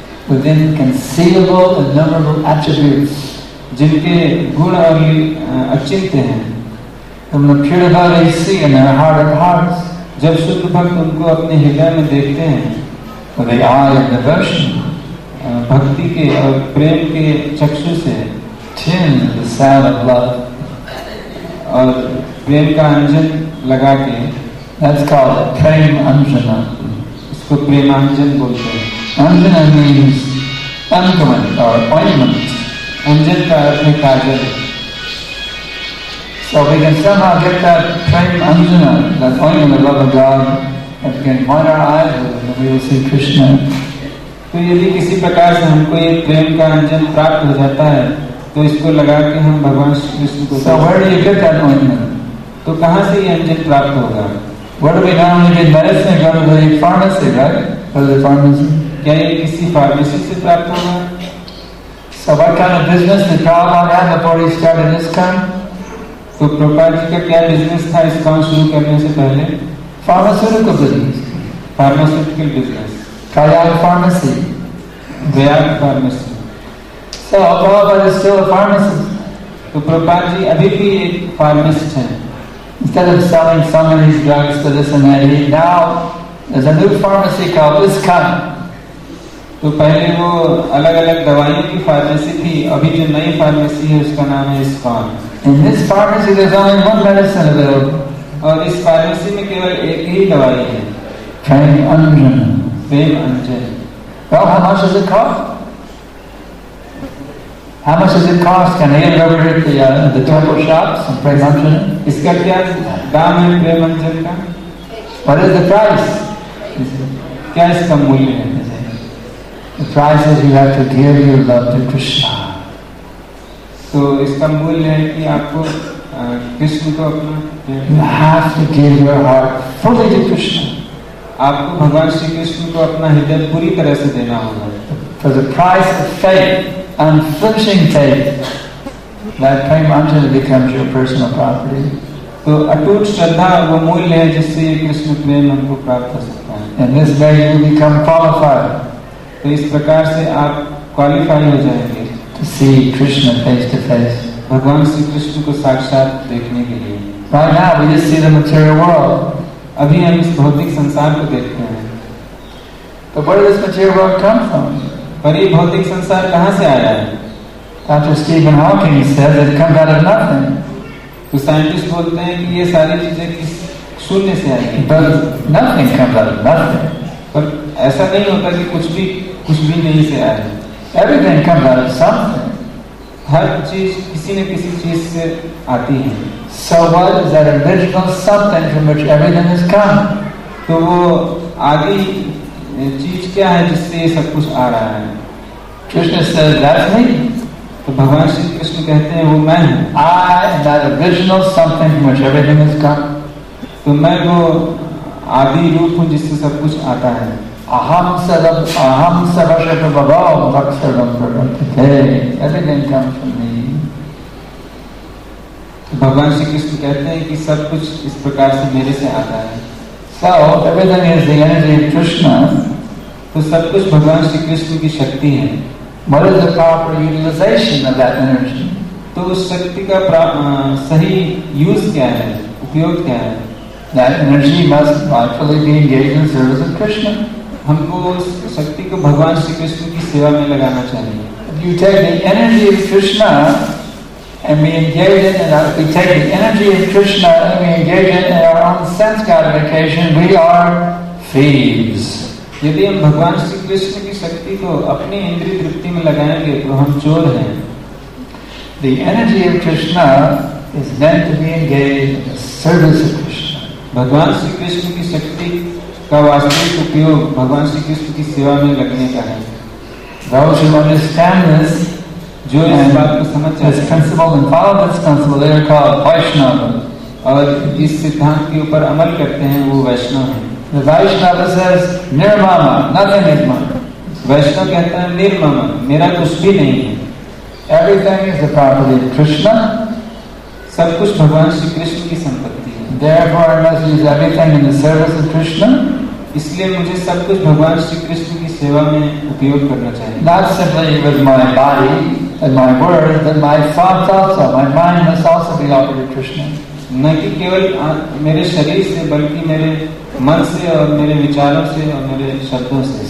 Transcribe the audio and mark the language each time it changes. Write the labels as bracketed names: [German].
[English] within inconceivable and innumerable attributes, [Hindi] जिनके गुण और अचिंत्य हैं. [English] From the pure devotees see in their heart of hearts, [Hindi] जब शुद्ध भक्त उनको अपने हृदय में देखते हैं, [English] for the eye of devotion, [Hindi] भक्ति के और प्रेम के चक्षु से, [English] tune the sound of love, [Hindi] और प्रेम का अंजन लगा के, [English] that's called prem anjana, [Hindi] इसको प्रेम अंजन बोलते हैं. [English] Anjana means ointment or ointment. [Hindi] Anjana ka arth hai kajal. [English] So we can somehow get that prem anjana, that ointment of love of God, and we can point our eyes with it, and we will see Krishna. [Hindi] तो यदि किसी प्रकार से हमको ये प्रेम का अंजन प्राप्त हो जाता है तो इसको लगा के हम भगवान श्री कृष्ण को. [English] So where do you get that ointment? [Hindi] तो कहाँ से ये अंजन प्राप्त होगा? [English] What do we know? We get medicine from the pharmacy, right? From the pharmacy. [Hindi] क्या ये किसी फार्मेसी से प्राप्त होगा? [English] So what kind of business did Prabhupada have before he started this camp? [Hindi] तो प्रभुपाद जी का क्या बिजनेस था इस काम शुरू करने से पहले? [English] Pharmaceutical business. Pharmaceutical business. Kayal pharmacy. Vyag pharmacy. So Prabhupada is still a pharmacist. [Hindi] तो प्रभुपाद जी अभी भी एक फार्मेसिस्ट हैं. [English] Instead of selling some of these drugs to this and that, now there's a new pharmacy called ISKCON. [Hindi] तो पहले वो अलग-अलग दवाइयों की फार्मेसी थी, अभी जो नई फार्मेसी है उसका नाम है ISKCON. [English] In this pharmacy there's only one medicine available. [Hindi] और इस फार्मेसी में केवल एक ही दवाई है. [English] Prem Anjana. Prem Anjana. Well, how much does it cost? How much does it cost? Can I get over here at the temple shops and Prem Anjana? [Hindi] इसका क्या दाम है Prem Anjana का? [English] What is the price? [Hindi] क्या इसका मूल्य है? [English] The price is you have to give your love to Krishna. So [Hindi] इसका मूल्य है कि आपको कृष्ण को अपना. [English] You have to give your heart fully to Krishna. [Hindi] आपको भगवान श्री कृष्ण को अपना हृदय पूरी तरह से देना होगा. [English] For the price of faith, unflinching faith, that prem anjana becomes your personal property. [Hindi] तो अटूट श्रद्धा वो मूल्य है जिससे कृष्ण प्रेम हमको प्राप्त हो सकता है. [English] And this way you become qualified. [Hindi] तो इस प्रकार से आप क्वालिफाई हो जाएंगे. [English] To see Krishna face to face. [Hindi] भगवान श्री कृष्ण को साक्षात देखने के लिए. [English] Right now we just see the material world. [Hindi] अभी हम इस भौतिक संसार को देखते हैं. तो [English] where does material world come from? [Hindi] पर ये भौतिक संसार कहाँ से आया है? [English] Dr. Stephen Hawking says it comes out of nothing. [Hindi] तो साइंटिस्ट बोलते हैं कि ये सारी चीजें किस शून्य से आई हैं. [English] But nothing comes out of nothing. [Hindi] पर ऐसा नहीं होता कि कुछ भी नहीं से आया है. [English] Everything comes out of something. [Hindi] हर चीज किसी न किसी चीज से आती है. [English] So what is that original something from which everything has come? [Hindi] तो वो आदि चीज क्या है जिससे ये सब कुछ आ रहा है? [English] Krishna says that's me. [Hindi] तो भगवान श्री कृष्ण कहते हैं वो मैं हूँ. [English] I am that original something from which everything has come. [Hindi] तो मैं वो आदि रूप हूँ जिससे सब कुछ आता है. [Sanskrit] अहम सर्व अहम सर्वशत बबा सर्वम प्रवर्तते. [English] Everything comes from me. [Hindi] तो भगवान श्री कृष्ण कहते हैं कि सब कुछ इस प्रकार से मेरे से आता है. [English] So everything is the energy of Krishna. [Hindi] तो सब कुछ भगवान श्री कृष्ण की शक्ति है. [English] What is the proper utilization of that energy? [Hindi] तो उस शक्ति का सही यूज क्या है, उपयोग क्या है? [English] That energy must rightfully be engaged in service of Krishna. [Hindi] हमको उस शक्ति को भगवान श्री कृष्ण की सेवा में लगाना चाहिए. [English] If you take the energy of Krishna and we engage it, and we take the energy of Krishna and we engage it in our own sense gratification, we are thieves. [Hindi] यदि हम भगवान श्री कृष्ण की शक्ति को अपनी इंद्रिय तृप्ति में लगाएंगे तो हम चोर हैं. [English] The energy of Krishna is meant to be engaged in the service of Krishna. [Hindi] भगवान श्री कृष्ण की शक्ति का वास्तविक उपयोग भगवान श्री कृष्ण की सेवा में लगने का है. [English] Those who understand this, [Hindi] जो इस बात को समझ जाए, [English] principle and follow this principle, they are called Vaishnava. [Hindi] और इस सिद्धांत के ऊपर अमल करते हैं वो वैष्णव हैं. [English] The Vaishnava says, Nirmama, nothing is mine. [Hindi] वैष्णव कहता है निर्ममा, मेरा कुछ भी नहीं है. [English] Everything is the property of Krishna. [Hindi] सब कुछ भगवान श्री कृष्ण की संपत्ति है. [English] Therefore, I must use everything in the service of Krishna. [Hindi] इसलिए मुझे सब कुछ भगवान श्री कृष्ण की सेवा में उपयोग करना चाहिए. [English] Not simply with my body and my words, but my thoughts also. My mind must also be offered to Krishna. [Hindi] न कि केवल मेरे शरीर से बल्कि मेरे मन से और मेरे विचारों से और मेरे शब्दों से.